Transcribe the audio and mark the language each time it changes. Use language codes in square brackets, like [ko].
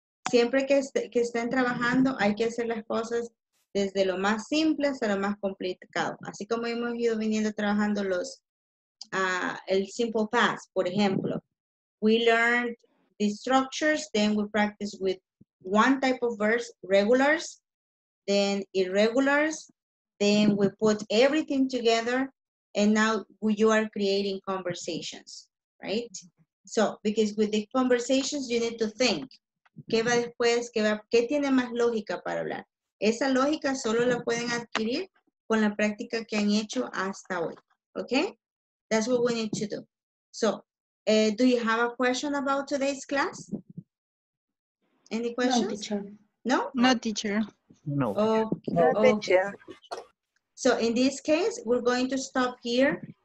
[es] Siempre que estén trabajando, hay que hacer las cosas desde lo más simple hasta lo más complicado. Así como hemos ido viniendo trabajando los el simple past, por ejemplo. [en] We learned the structures, then we practice with one type of verbs, regulars, then irregulars, then we put everything together, and now you are creating conversations, right? So, because with the conversations, you need to think. [es] ¿Qué va después? ¿Qué tiene más lógica para hablar? Esa lógica solo la pueden adquirir con la práctica que han hecho hasta hoy, okay? [en] That's what we need to do. So, do you have a question about today's class? Any questions? No, teacher. No, teacher. So, in this case, we're going to stop here.